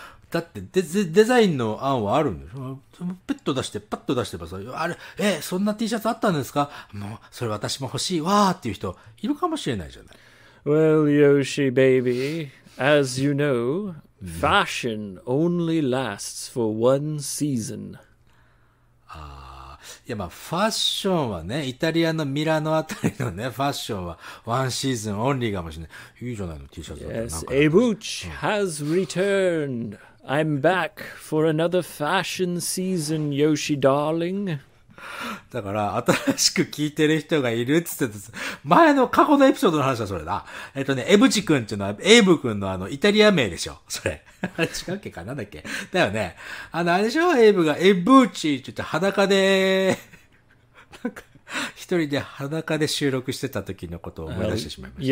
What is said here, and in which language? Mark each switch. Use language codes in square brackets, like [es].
[ja] だって、デザインの案はあるんでしょ？ペット出して、パッと出してばさ、あれ、そんな T シャツあったんですか？もう、それ私も欲しいわーっていう人、いるかもしれないじゃない。 [en] Well, Yoshi, baby, as you know, fashion only lasts for one season. [ja] いや、まあ、ファッションはね、イタリアのミラノあたりのね、ファッションは、ワンシーズンオンリーかもしれない。いいじゃないの、T シャツだって。 [en] Yes, Ebuch has returned. I'm back for another fashion season, Yoshi darling. [ja] だから、新しく聞いてる人がいるっつってた。前の過去のエピソードの話はそれだ。エブチ君っていうのは、エイブ君のイタリア名でしょ、それ。違うっけかなんだっけだよね。あれでしょ、エイブが、エブチって言って裸で、なんか、一人で裸で収録してた時のことを思い出してしまいました。